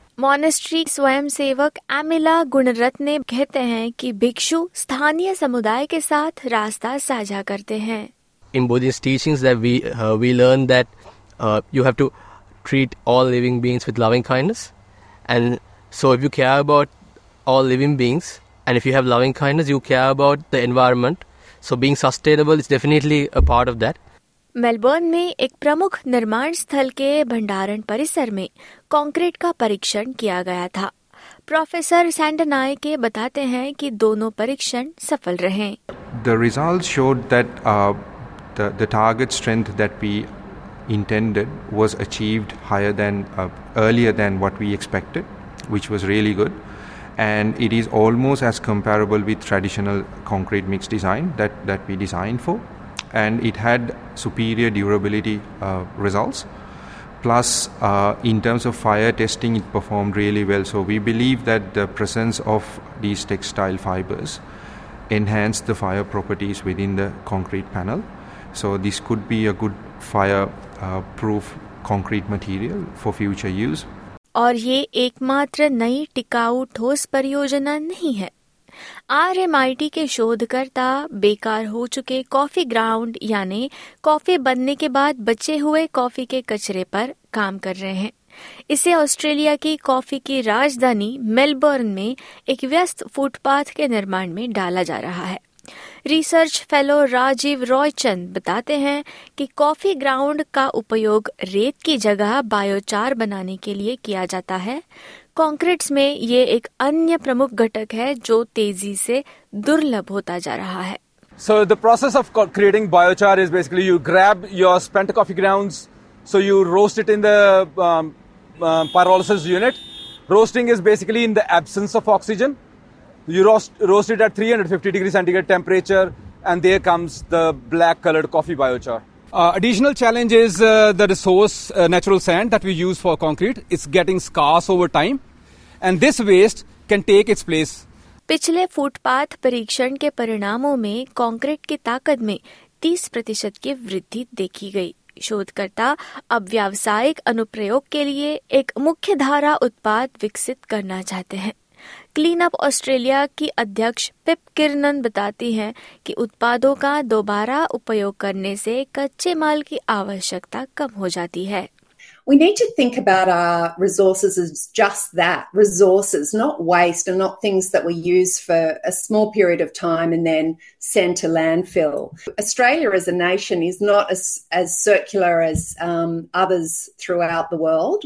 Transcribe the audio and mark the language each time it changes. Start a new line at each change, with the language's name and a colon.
Hindi: Monastery स्वयंसेवक अमिला गुणरत्ने कहते हैं कि भिक्षु स्थानीय समुदाय के साथ रास्ता साझा करते हैं।
English: In Buddhist teachings, that we learn that you have to treat all living beings with loving kindness, and so if you care about all living beings. And if you have loving kindness, you care about the environment. So being sustainable is definitely a part of that.
Hindi: Melbourne में एक प्रमुख निर्माण स्थल के भंडारण परिसर में concrete का परीक्षण किया गया था। प्रोफेसर सैंडनायके बताते हैं कि दोनों परीक्षण सफल रहे।
English: The results showed that the target strength that we intended was achieved higher than earlier than what we expected which was really good and it is almost as comparable with traditional concrete mix design that we designed for and it had superior durability results. Plus, in terms of fire testing, it performed really well. So we believe that the presence of these textile fibers enhanced the fire properties within the concrete panel. So this could be a good fire-proof concrete material for future use.
Hindi: और ये एकमात्र नई टिकाऊ ठोस परियोजना नहीं है। RMIT के शोधकर्ता बेकार हो चुके कॉफी ग्राउंड यानी कॉफी बनने के बाद बचे हुए कॉफी के कचरे पर काम कर रहे हैं। इसे ऑस्ट्रेलिया की कॉफी की राजधानी मेलबर्न में एक व्यस्त फुटपाथ के निर्माण में डाला जा रहा है। रिसर्च फेलो राजीव रॉयचंद बताते हैं कि कॉफी ग्राउंड का उपयोग रेत की जगह बायोचार बनाने के लिए किया जाता है। कॉन्क्रीट्स में ये एक अन्य प्रमुख घटक है जो तेजी से दुर्लभ होता जा रहा है।
English: So the process of creating biochar is basically you grab your spent coffee grounds, so you roast it in the pyrolysis unit. Roasting is basically in the absence of oxygen. You roast it at 350 degree centigrade temperature, and there comes the black colored coffee biochar. Additional challenge is the resource, natural sand that we use for concrete. It's getting scarce over time, and this waste can take its place.
Hindi: पिछले footpath परीक्षण के परिणामों में concrete की ताकत में 30% की वृद्धि देखी गई। शोधकर्ता अब व्यावसायिक अनुप्रयोग के लिए एक मुख्य धारा उत्पाद विकसित करना चाहते हैं। क्लीन अप ऑस्ट्रेलिया की अध्यक्ष पिप किरनन बताती हैं कि उत्पादों का दोबारा उपयोग करने से कच्चे माल की आवश्यकता कम हो जाती है।
English: We need to think about our resources as just that, resources, not waste and not things that we use for a small period of time and then send to landfill. Australia as a nation is not as circular as others throughout the world.